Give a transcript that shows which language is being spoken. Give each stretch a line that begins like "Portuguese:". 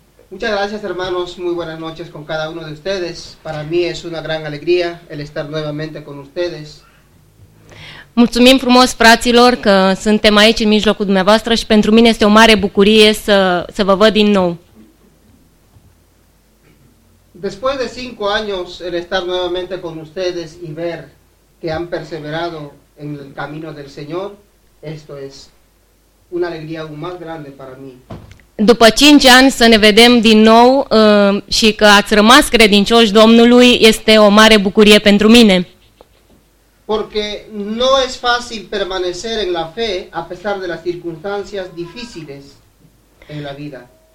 Spanish: Muchas gracias, hermanos. Muy buenas noches con cada uno de ustedes. Para mí es una gran alegría el estar nuevamente con ustedes.
Romanian: Mulțumim frumos, fraților, că suntem aici în mijlocul dumneavoastră și pentru mine este o mare bucurie să vă văd din nou.
Spanish: Después de 5 años el estar nuevamente con ustedes y ver que han perseverado en el camino del Señor, esto es una alegría aún más grande para mí.
Romanian: După 5 ani să ne vedem din nou și că ați rămas credincioși Domnului, este o mare bucurie pentru mine.
Spanish: Porque no es fácil permanecer en la fe a pesar de las circunstancias difíciles en la vida.